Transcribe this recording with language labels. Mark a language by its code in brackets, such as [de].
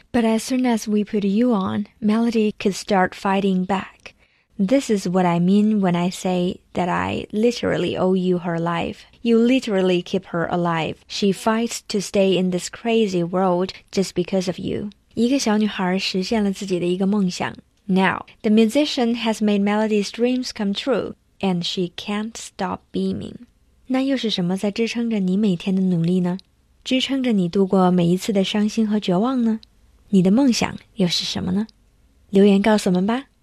[en] But as soon as we put you on, Melody could start fighting back. This is what I mean when I say that I literally owe you her life. You literally keep her alive. She fights to stay in this crazy world just because of you. [zh] 一个小女孩实现了自己的一个梦想。 [en] Now, the musician has made Melody's dreams come true, and she can't stop beaming. [zh] 那又是什么在支撑着你每天的努力呢？支撑着你度过每一次的伤心和绝望呢？你的梦想又是什么呢？留言告诉我们吧。